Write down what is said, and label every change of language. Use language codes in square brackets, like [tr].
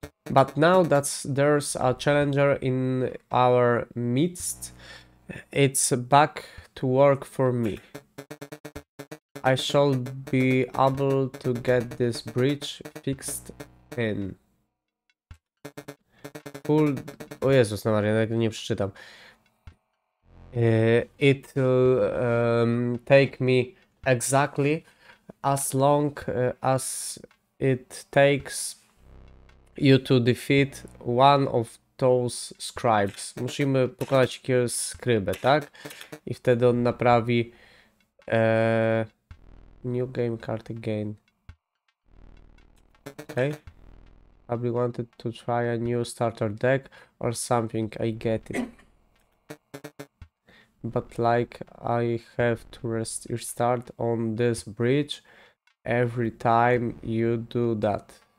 [en] But now that there's a challenger in our midst, it's back to work for me. I shall be able to get this bridge fixed in. Cool. [pl] O Jezus, na Maria, tego nie przeczytam. [en] It'll take me exactly as long as it takes you to defeat one of those scribes. [pl] Musimy pokonać jakiegoś skrybę, tak? I wtedy on naprawi [en] new game card again. Okay. Probably wanted to try a new starter deck or something. I get it. But like I have to restart on this bridge every time you do that.